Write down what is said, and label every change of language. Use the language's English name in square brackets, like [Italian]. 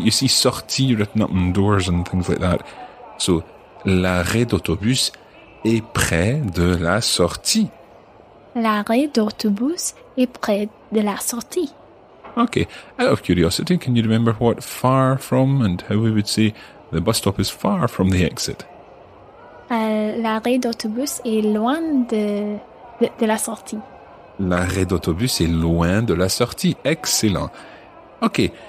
[English] You see sortie written up on doors and things like that. [French] So, l'arrêt d'autobus est près de la sortie. L'arrêt d'autobus est près de la sortie. [English] Okay. Out of curiosity, can you remember what far from and how we would say the bus stop is far from the exit? [French] L'arrêt d'autobus est loin de la sortie. L'arrêt d'autobus est loin de la sortie. Excellent. Okay.